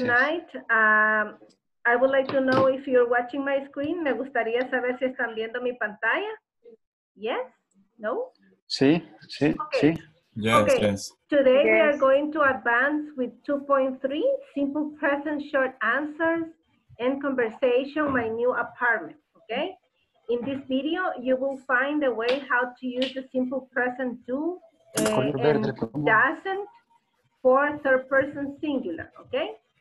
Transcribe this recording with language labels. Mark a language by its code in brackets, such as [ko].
[en] Tonight, I would like to know if you're watching my screen. [es] Me gustaría saber si están viendo mi pantalla. [en] Yes. No? [es] Sí, sí, okay. Sí. [en] Yes, okay. Yes. Today We are going to advance with 2.3, simple present short answers and conversation, my new apartment, okay? In this video, you will find a way how to use the simple present do and doesn't for third person singular, okay?